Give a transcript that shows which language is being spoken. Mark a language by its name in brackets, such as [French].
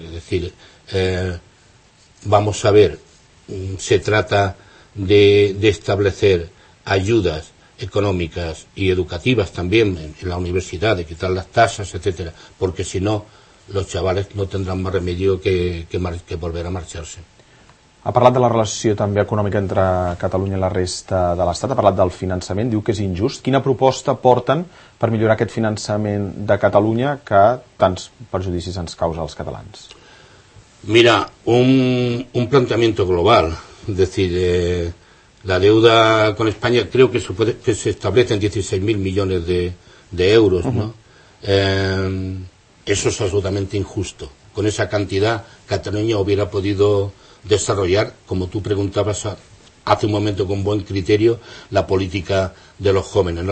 [Spanish] Es decir, vamos a ver, se trata de establecer ayudas económicas y educativas también en la universidad, de quitar las tasas, etcétera, porque si no, los chavales no tendrán más remedio que volver a marcharse. [Catalan] Ha parlat de la relació també econòmica entre Catalunya i la resta de l'Estat, ha parlat del finançament, diu que és injust. Quina proposta porten per millorar aquest finançament de Catalunya que tants perjudicis ens causa als catalans? [Spanish] Mira, un planteamiento global, es decir, la deuda con España creo que se establece en 16.000 millones de euros, ¿no? Eso es absolutamente injusto. Con esa cantidad, Cataluña hubiera podido desarrollar, como tú preguntabas hace un momento con buen criterio, la política de los jóvenes, ¿no?